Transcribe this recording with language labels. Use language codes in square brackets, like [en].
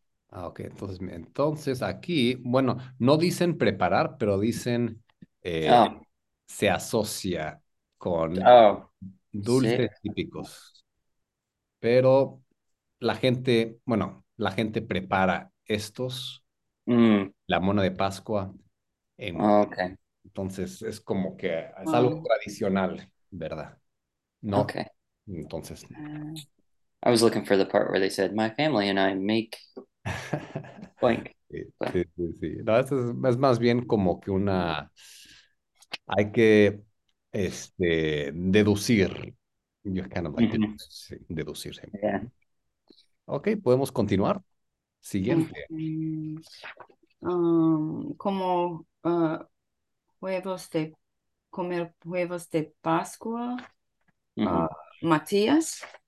[es] Ah, ok, entonces aquí, bueno, no dicen preparar, pero dicen, se asocia con dulces típicos. Pero la gente, bueno, la gente prepara estos. La mona de Pascua, entonces es como que es algo tradicional, ¿verdad? No, entonces. [en] I was looking for the part where they said, my family and I make blank. [es] Sí. No, es más bien como que una, hay que deducir. [en] You're kind of like [es] deducir, sí. Ok, podemos continuar. Siguiente. Como huevos de comer huevos de Pascua, Matías.